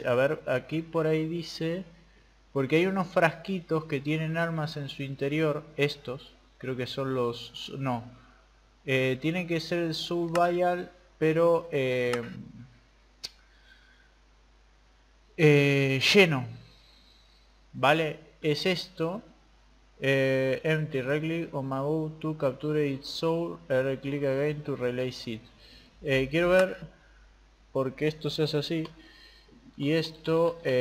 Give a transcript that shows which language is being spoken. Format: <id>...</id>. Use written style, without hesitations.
<es>A ver, aquí por ahí dice, porque hay unos frasquitos que tienen almas en su interior, estos, creo que son los, no, tiene que ser el soul vial, pero lleno, ¿vale? Es esto.</es> <en>Empty, right click on Mabu to capture its soul. R click again to release it.</en> <es>Quiero ver por qué esto se hace así. Y esto.</es>